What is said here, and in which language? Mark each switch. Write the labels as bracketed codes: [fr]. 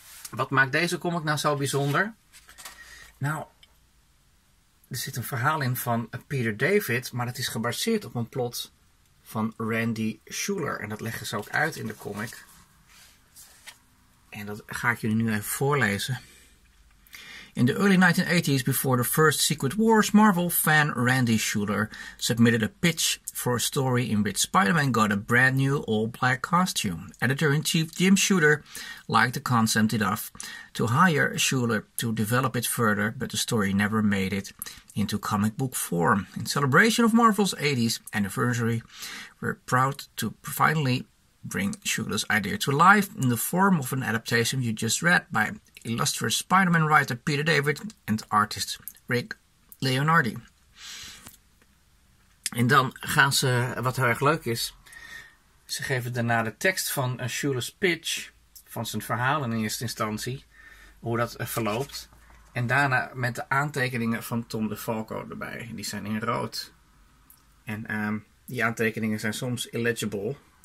[nl] Wat maakt deze comic nou zo bijzonder? Nou, er zit een verhaal in van Peter David, maar dat is gebaseerd op een plot van Randy Schuler. En dat leggen ze ook uit in de comic. En dat ga ik jullie nu even voorlezen. [en] In the early 1980s, before the first Secret Wars, Marvel fan Randy Schuler submitted a pitch for a story in which Spider-Man got a brand new all-black costume. Editor-in-chief Jim Shooter liked the concept enough to hire Schuler to develop it further, but the story never made it into comic book form. In celebration of Marvel's 80s anniversary, we're proud to finally bring Schuler's idea to life in the form of an adaptation you just read by illustrious Spider-Man writer Peter David and artist Rick Leonardi. [nl] En dan gaan ze, wat heel erg leuk is, ze geven daarna de tekst van Schuler's pitch, van zijn verhaal in eerste instantie, hoe dat verloopt. En daarna met de aantekeningen van Tom DeFalco erbij. Die zijn in rood. En die aantekeningen zijn soms illegible.